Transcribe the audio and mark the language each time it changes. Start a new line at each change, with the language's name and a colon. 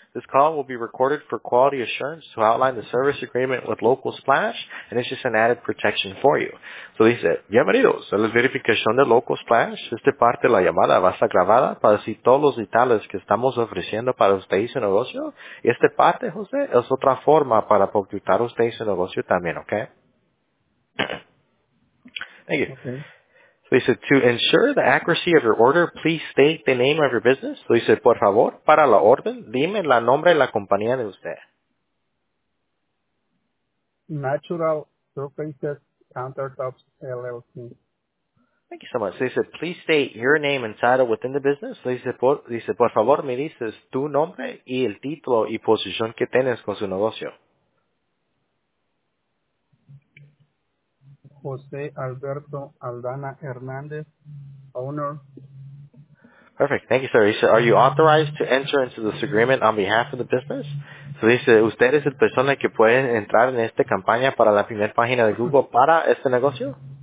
English: This call will be recorded for quality assurance to outline the service agreement with Local Splash, and it's just an added protection for you.
Spanish: So dice, bienvenidos a la verificación de Local Splash. Esta parte de la llamada va a estar grabada para decir todos los detalles que estamos ofreciendo para usted y su negocio. Y esta parte, José, es otra forma para proyectar usted y su negocio también, ¿ok?
English: Thank you. Okay. So he said, to ensure the accuracy of your order, please state the name of your business. So he said,
Spanish: por favor, para la orden, dime la nombre de la compañía de usted.
English: Natural Surfaces Countertops LLC. Thank you so much. So he said, please state your name and title within the business. So he said,
Spanish: por favor, me dices tu nombre y el título y posición que tienes con su negocio.
English: José Alberto Aldana Hernández, owner. Perfect. Thank you, sir. Lisa, are you authorized to enter into this agreement on behalf of the business?
Spanish: So dice, ¿usted es la persona que puede entrar en esta campaña para la primera página de Google para este negocio?